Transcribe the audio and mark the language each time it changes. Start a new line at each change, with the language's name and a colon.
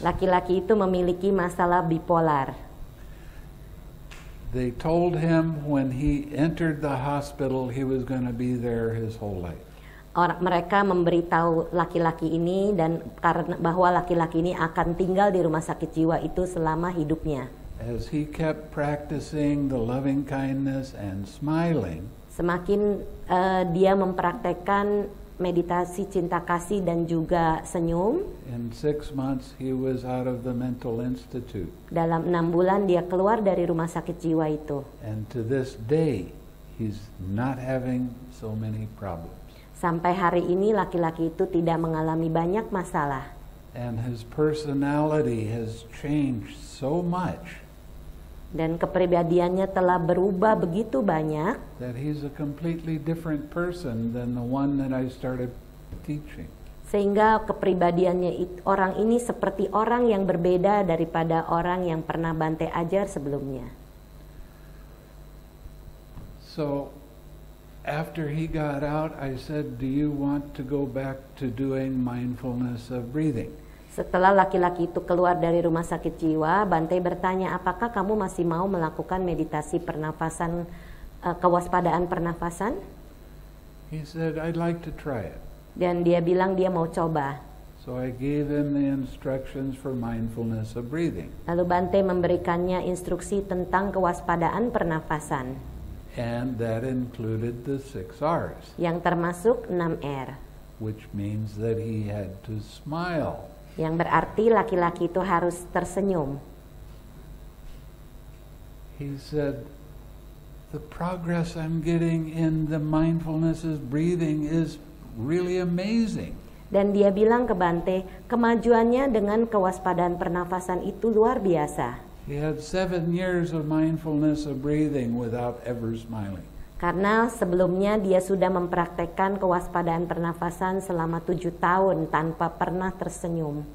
Indonesian: Laki-laki itu memiliki masalah bipolar.
English: They told him when he entered the hospital he was going to be there his whole life.
Indonesian: Mereka memberitahu laki-laki ini dan karena bahwa laki-laki ini akan tinggal di rumah sakit jiwa itu selama hidupnya.
English: As he kept practicing the loving kindness and smiling,
Indonesian: semakin dia mempraktekkan meditasi cinta kasih dan juga senyum.
English: In 6 months he was out of the mental institute.
Indonesian: Dalam 6 bulan dia keluar dari rumah sakit jiwa itu.
English: And to this day he's not having so many problems.
Indonesian: Sampai hari ini laki-laki itu tidak mengalami banyak masalah.
English: And his personality has changed so much.
Indonesian: Dan kepribadiannya telah berubah begitu banyak.
English: That he's a completely different person than the one that I started teaching.
Indonesian: Sehingga kepribadiannya orang ini seperti orang yang berbeda daripada orang yang pernah Bante ajar sebelumnya.
English: So after he got out, I said, "Do you want to go back to doing mindfulness of breathing?"
Indonesian: Setelah laki-laki itu keluar dari rumah sakit jiwa, Bante bertanya, "Apakah kamu masih mau melakukan meditasi pernafasan, kewaspadaan pernafasan?"
English: He said, "I'd like to try it."
Indonesian: Dan dia bilang dia mau coba.
English: So I gave him the instructions for mindfulness of breathing.
Indonesian: Lalu Bante memberikannya instruksi tentang kewaspadaan pernafasan.
English: And that included the 6 R's.
Indonesian: Yang termasuk 6 R.
English: Which means that he had to smile.
Indonesian: Yang berarti laki-laki itu harus tersenyum.
English: He said, "The progress I'm getting in the mindfulness of breathing is really amazing."
Indonesian: Dan dia bilang ke Bante, kemajuannya dengan kewaspadaan pernafasan itu luar biasa.
English: He had 7 years of mindfulness of breathing without ever smiling.
Indonesian: Karena sebelumnya dia sudah mempraktekkan kewaspadaan pernafasan selama 7 tahun tanpa pernah tersenyum.